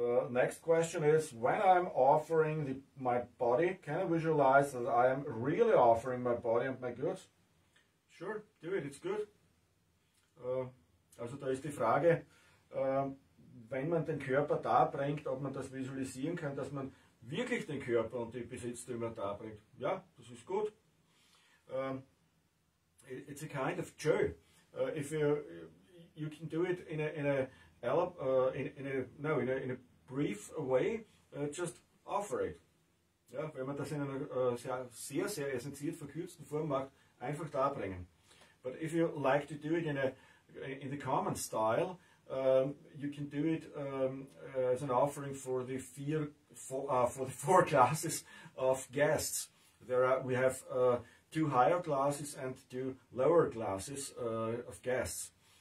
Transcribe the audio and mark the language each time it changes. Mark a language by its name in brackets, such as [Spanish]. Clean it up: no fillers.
[English] Next question is, when I'm offering my body, can I visualize that I am really offering my body and my goods? Sure, do it, it's good. [German] Also da ist die Frage, wenn man den Körper darbringt, ob man das visualisieren kann, dass man wirklich den Körper und die Besitztümer darbringt. Ja, das ist gut. [English] It's a kind of joy. If you can do it in a brief way, just offer it. [German] Ja, wenn man das in einer sehr, sehr, sehr essentiell verkürzten Form macht, einfach darbringen. [English] But if you like to do it in the common style, you can do it as an offering for the four classes of guests. We have two higher classes and two lower classes of guests.